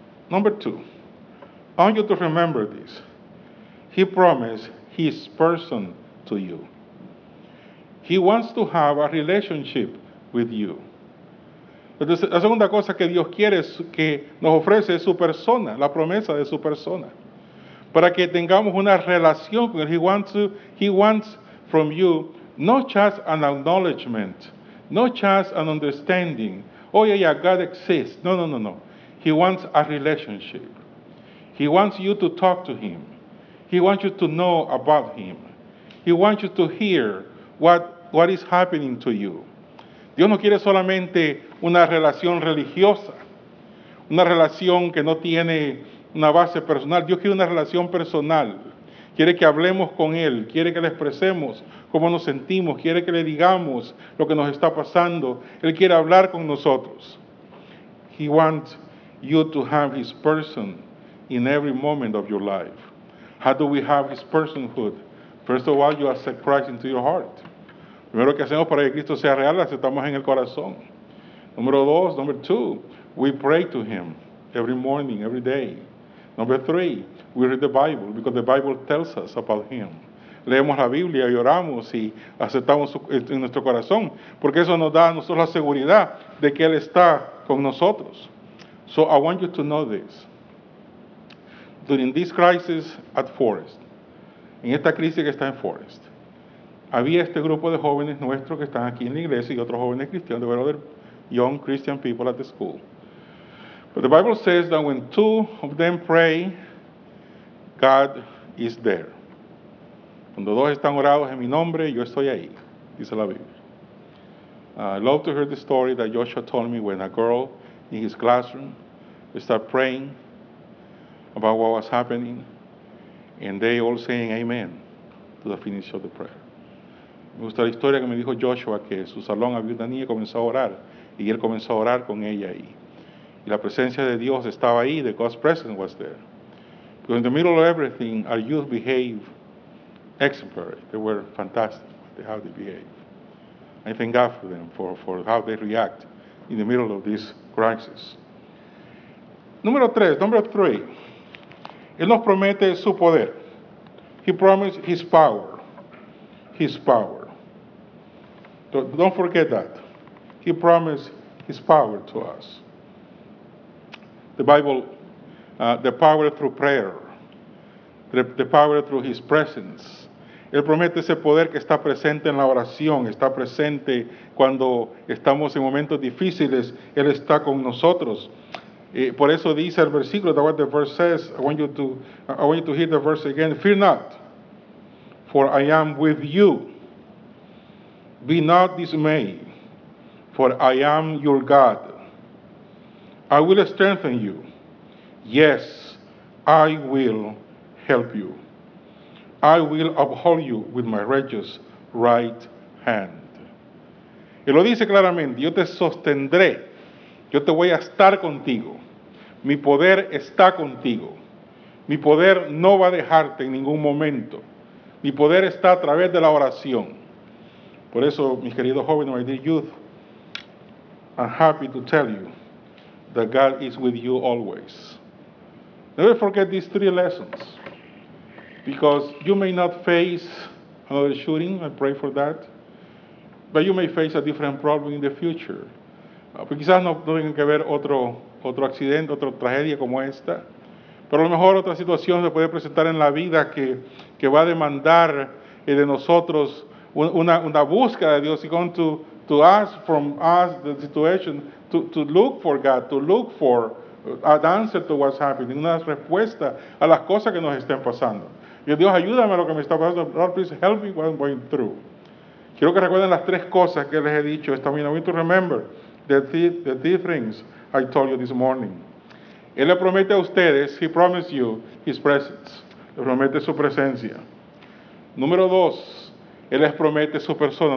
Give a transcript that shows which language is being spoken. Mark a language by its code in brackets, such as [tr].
[en] Number two. I want you to remember this. He promised his person to you. He wants to have a relationship with you. [es] La segunda cosa que Dios quiere es que nos ofrece es su persona, la promesa de su persona, para que tengamos una relación con él. [en] He wants from you not just an acknowledgement, not just an understanding. Oh yeah, yeah, God exists. No. He wants a relationship. He wants you to talk to him. He wants you to know about him. He wants you to hear what is happening to you. [es] Dios no quiere solamente una relación religiosa, una relación que no tiene una base personal. Dios quiere una relación personal. Quiere que hablemos con él, quiere que le expresemos cómo nos sentimos, quiere que le digamos lo que nos está pasando. Él quiere hablar con nosotros. [en] He wants you to have his person in every moment of your life. How do we have his personhood? First of all, you accept Christ into your heart. [es] Primero, que hacemos para que Cristo sea real, lo aceptamos en el corazón. Número dos, [en] number two, we pray to him every morning, every day. Number three, we read the Bible because the Bible tells us about him. [es] Leemos la Biblia y oramos y aceptamos en nuestro corazón, porque eso nos da a nosotros la seguridad de que él está con nosotros. [en] So I want you to know this. During this crisis at Forest, [es] en esta crisis que está en Forest, había este grupo de jóvenes nuestros que están aquí en la iglesia y otros jóvenes cristianos, [en] there were other young Christian people at the school. But the Bible says that when two of them pray, God is there. [es] Cuando dos están orados en mi nombre, yo estoy ahí, dice la Biblia. [en] I love to hear the story that Joshua told me when a girl in his classroom started praying about what was happening, and they all saying amen to the finish of the prayer. [es] Me gusta la historia que me dijo Joshua, que en su salón había una niña que comenzó a orar, y él comenzó a orar con ella ahí. Y la presencia de Dios estaba ahí, [en] the God's presence was there. Because in the middle of everything, our youth behave exemplary. They were fantastic, how they behave. I thank God for them, for how they react in the middle of this crisis. Number three, [es] él nos promete su poder. [en] He promised his power. His power. Don't forget that. He promised his power to us. the Bible, the power through prayer, the power through his presence. [es] Él promete ese poder que está presente en la oración, está presente cuando estamos en momentos difíciles, Él está con nosotros. Por eso dice el versículo, [en] that what the verse says, I want you to hear the verse again. Fear not, for I am with you. Be not dismayed, for I am your God. I will strengthen you. Yes, I will help you. I will uphold you with my righteous right hand. [es] Y lo dice claramente, yo te sostendré, yo te voy a estar contigo. Mi poder está contigo. Mi poder no va a dejarte en ningún momento. Mi poder está a través de la oración. Por eso, mis queridos jóvenes, [en] my dear youth, I'm happy to tell you that God is with you always. Never forget these three lessons. Because you may not face another shooting, I pray for that. But you may face a different problem in the future. [es] Quizás no tenga que ver otro accidente, otra tragedia como esta. Pero a lo mejor otra situación se puede presentar en la vida que va a demandar de nosotros una búsqueda de Dios. [en] He's going to ask from us the situation to look for God, to look for an answer to what's happening, [es] una respuesta a las cosas que nos estén pasando. Y Dios, ayúdame a lo que me está pasando. [en] Lord, please help me while I'm going through. [es] Quiero que recuerden las tres cosas que les he dicho esta mañana. [en] I want to remember the things I told you this morning. [es] Él le promete a ustedes, [en] he promised you his presence. [es] Le promete su presencia. Número dos, Él les promete su persona.